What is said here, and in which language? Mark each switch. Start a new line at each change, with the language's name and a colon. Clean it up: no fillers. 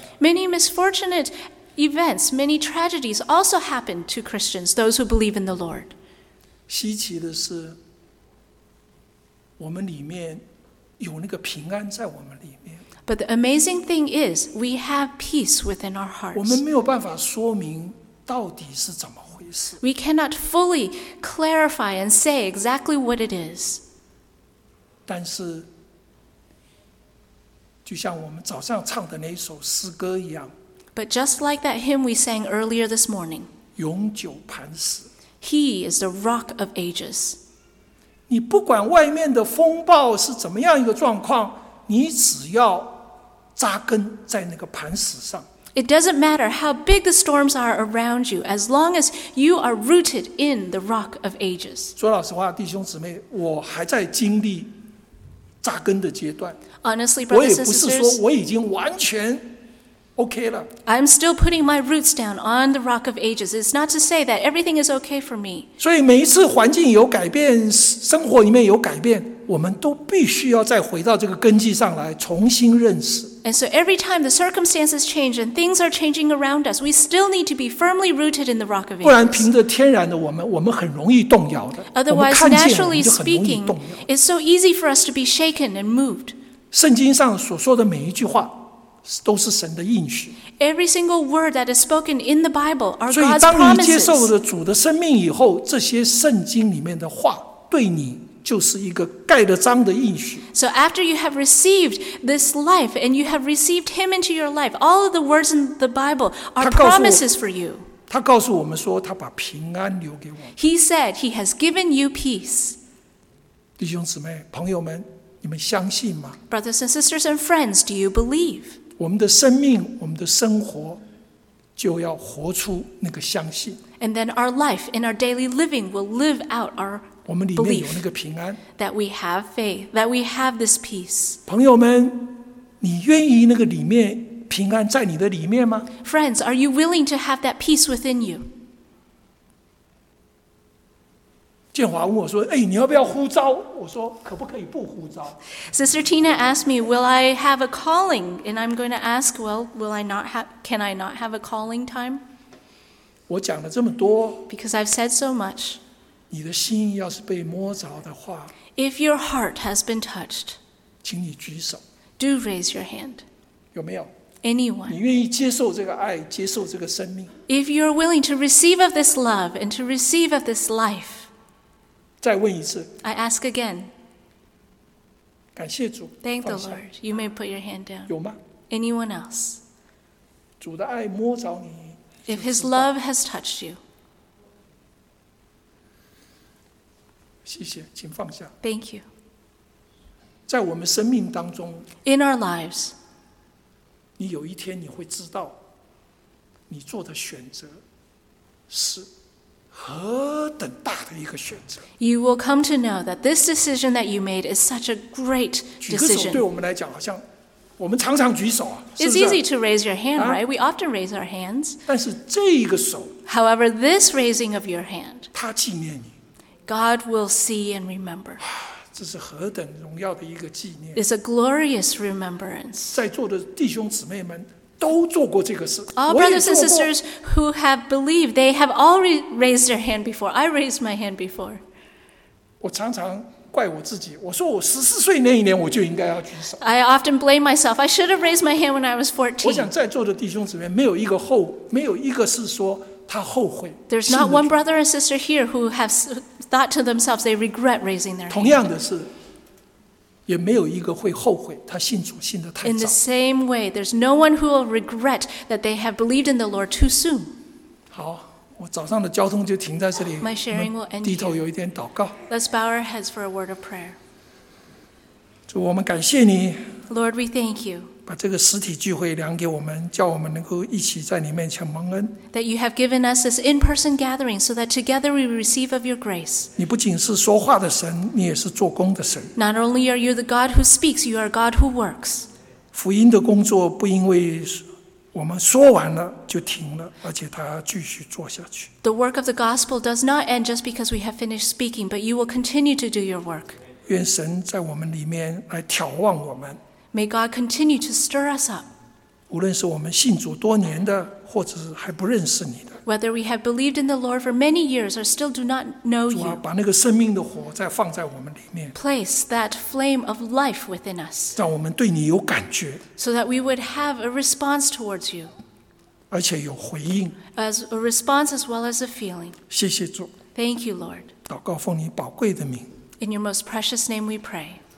English: Many misfortunate events, many tragedies also happen to Christians, those who believe in the Lord.
Chinese: 稀奇的是，我们里面有那个平安在我们里面。
English: But the amazing thing is, we have peace within our hearts.
Chinese: 我们没有办法说明到底是怎么回事。
English: We cannot fully clarify and say exactly what it is.
Chinese: 但是，就像我们早上唱的那首诗歌一样。
English: But just like that hymn we sang earlier this morning.
Chinese: 永久磐石。
English: He is the rock of ages.
Chinese: 你不管外面的风暴是怎么样一个状况，你只要扎根在那个磐石上。
English: It doesn't matter how big the storms are around you, as long as you are rooted in the rock of ages.
Chinese: 说老实话，弟兄姊妹，我还在经历扎根的阶段。
English: Honestly, brothers and sisters,
Chinese: 我也不是说我已经完全 OK 了。
English: I'm still putting my roots down on the rock of ages. It's not to say that everything is okay for me.
Chinese: 所以每一次环境有改变，生活里面有改变。我们都必须要再回到这个根基上来重新认识。
English: And so every time the circumstances change and things are changing around us, we still need to be firmly rooted in the rock of ages.
Chinese: 不然凭着天然的我们很容易动摇的。
English: Otherwise, naturally speaking, it's so easy for us to be shaken and moved.
Chinese: 圣经上所说的每一句话都是神的应许。
English: Every single word that is spoken in the Bible are God's promises.
Chinese: 所以当你接受了主的生命以后，这些圣经里面的话对你就是一个盖了章的应许。
English: So after you have received this life and you have received him into your life, all of the words in the Bible are promises for you.
Chinese: 他告诉我们说他把平安留给我们。
English: He said he has given you peace.
Chinese: 弟兄姊妹，朋友们，你们相信吗？
English: Brothers and sisters and friends, do you believe?
Chinese: 我们的生命，我们的生活就要活出那个相信。
English: And then our life and our daily living will live out our faith.
Chinese: 我们里面有那个平安。
English: That we have faith, that we have this peace.
Chinese: 朋友们，你愿意那个里面平安在你的里面吗？
English: Friends, are you willing to have that peace within you?
Chinese: 建华问我说：“哎，你要不要呼召？” 我说：“可不可以不呼召？”
English: Sister Tina asked me, "Will I have a calling?" And I'm going to ask, "Well, will I not have? Can I not have a calling time?"
Chinese: 我讲了这么多。
English: Because I've said so much.
Chinese: 你的心要是被摸着的话
English: ，If your heart has been touched,
Chinese: 请你举手。
English: Do raise your hand.
Chinese: 有没有
English: ？Anyone?
Chinese: 你愿意接受这个爱，接受这个生命
English: ？If you are willing to receive of this love and to receive of this life.
Chinese: 再问一次。
English: I ask again.
Chinese: 感谢主。
English: Thank the Lord. You may put your hand down.
Chinese: 有吗
English: ？Anyone else?
Chinese: 主的爱摸着你。
English: If His love has touched you.
Chinese: 谢谢，请放下。
English: Thank you.
Chinese: 在我们生命当中。
English: In our lives.
Chinese: 你有一天你会知道，你做的选择是。何等大的一个选择。
English: You will come to know that this decision that you made is such a great decision.
Chinese: 举个手对我们来讲好像我们常常举手啊。
English: It's easy to raise your hand, right? We often raise our hands.
Chinese: 但是这个手。
English: However, this raising of your hand.
Chinese: 他纪念你。
English: God will see and remember.
Chinese: 这是何等荣耀的一个纪念。
English: It's a glorious remembrance.
Chinese: 在座的弟兄姊妹们。都做过这个事。
English: All brothers and sisters who have believed, they have already raised their hand before. I raised my hand before.
Chinese: 我常常怪我自己，我说我十四岁那一年我就应该要举手。
English: I often blame myself. I should have raised my hand when I was 14.
Chinese: 我想在座的弟兄姊妹没有一个后，没有一个是说他后悔。
English: There's not one brother and sister here who have thought to themselves they regret raising their hand.
Chinese: 同样的是。也没有一个会后悔他信主信得太早。
English: In the same way, there's no one who will regret that they have believed in the Lord too soon.
Chinese: 好，我早上的交通就停在这里。
English: My sharing will end.
Chinese: 低头有一点祷告。
English: Let's bow our heads for a word of prayer.
Chinese: 主，我们感谢你。
English: Lord, we thank you.
Chinese: 把这个实体聚会量给我们，叫我们能够一起在你面前蒙恩。
English: That you have given us this in-person gathering, so that together we receive of your grace.
Chinese: 你不仅是说话的神，你也是做工的神。
English: Not only are you the God who speaks, you are God who works.
Chinese: 福音的工作不因为我们说完了就停了，而且它继续做下去。
English: The work of the gospel does not end just because we have finished speaking, but you will continue to do your work.
Chinese: 愿神在我们里面来眺望我们。
English: May God continue to stir us up.
Chinese: 无论是我们信主多年的，或者是还不认识你的。
English: Whether we have believed in the Lord for many years or still do not know you.
Chinese: 主啊，把那个生命的火再放在我们里面。
English: Place that flame of life within us.
Chinese: 让我们对你有感觉。
English: So that we would have a response towards you.
Chinese: 而且有回应。
English: As a response as well as a feeling.
Chinese: 谢谢主。
English: Thank you, Lord.
Chinese: 祷告奉你宝贵的名。
English: In your most precious name we pray.